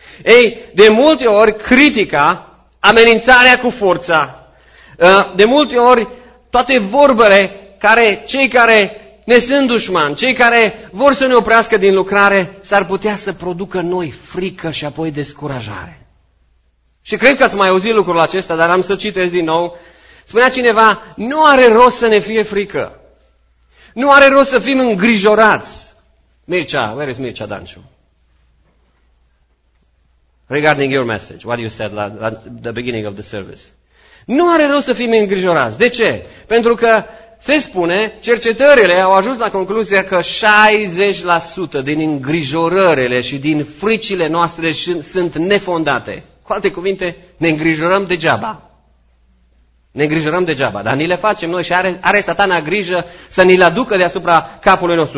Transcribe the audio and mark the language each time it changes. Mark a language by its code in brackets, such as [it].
[ro] Ei, de multe ori, critica, amenințarea cu forța, de multe ori, toate vorbele care cei care ne sunt dușmani, cei care vor să ne oprească din lucrare, s-ar putea să producă noi frică și apoi descurajare. Și cred că ați mai auzit lucrul acesta, dar am să citesc din nou. Spunea cineva, nu are rost să ne fie frică. Nu are rost să fim îngrijorați. [en] Mircea, where is Mircea Danciu? Regarding your message, what you said at the beginning of the service. [ro] Nu are rost să fim îngrijorați. De ce? Pentru că, se spune, cercetările au ajuns la concluzia că 60% din îngrijorările și din fricile noastre sunt nefondate. Cu alte cuvinte, ne îngrijorăm degeaba. Ne îngrijorăm degeaba, dar ni le facem noi și are satana grijă să ni le aducă deasupra capului nostru.